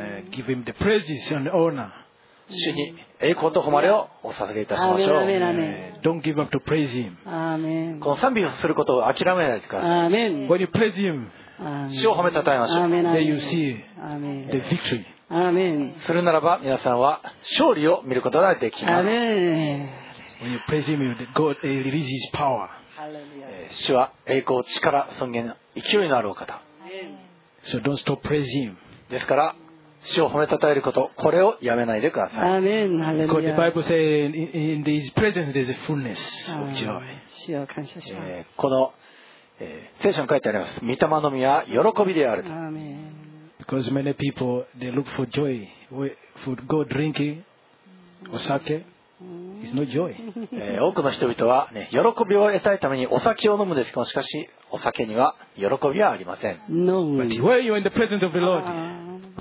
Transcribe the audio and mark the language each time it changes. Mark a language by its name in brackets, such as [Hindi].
[English] Give him the praises and honor. [Japanese] 主に栄光と誉れをお捧げいたしましょう。 [English] Don't give up to praise him. [Japanese] この賛美をすることを諦めないでください。 [English] Amen. When you praise him, [Japanese] 主を褒めたたえましょう。 [English] Amen. Then you see the victory. Amen. [Japanese] するならば皆さんは勝利を見ることができます。 [English] Amen. When you praise him, God releases his power. Hallelujah. [Japanese] 主は栄光、力、尊厳、勢いのあるお方。 [English] Amen. So don't stop praising him. [Japanese] ですから主を褒めたたえること、これをやめないでください。アーメン、ハレルヤ。 [English] The Bible says, in His presence there is fullness of joy. [Japanese] 主を感謝します。この、聖書に書いてあります。御霊の実は喜びであると。アーメン。 [English] Because many people they look for joy, for go drinking, お酒。 It's not joy. [Japanese] 多くの人々は、ね、喜びを得たいためにお酒を飲むんですけど、しかしお酒には喜びはありません。 [English] No. But where you are in the presence of the Lord.